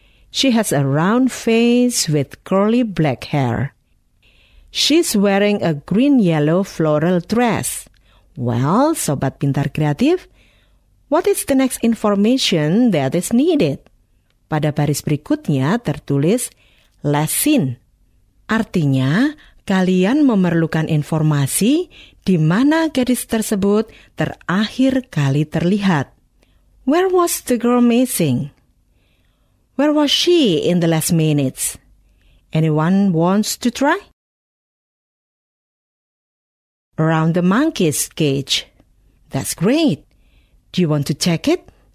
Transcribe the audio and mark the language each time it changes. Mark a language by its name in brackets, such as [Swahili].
[English] She has a round face with curly black hair. She's wearing a green-yellow floral dress. Well, Sobat Pintar Kreatif, what is the next information that is needed? [Indonesian] Pada baris berikutnya tertulis lesson. Artinya, kalian memerlukan informasi di mana gadis tersebut terakhir kali terlihat. [English] Where was the girl missing? Where was she in the last minutes? Anyone wants to try? Around the monkey's cage. That's great. Do you want to check it?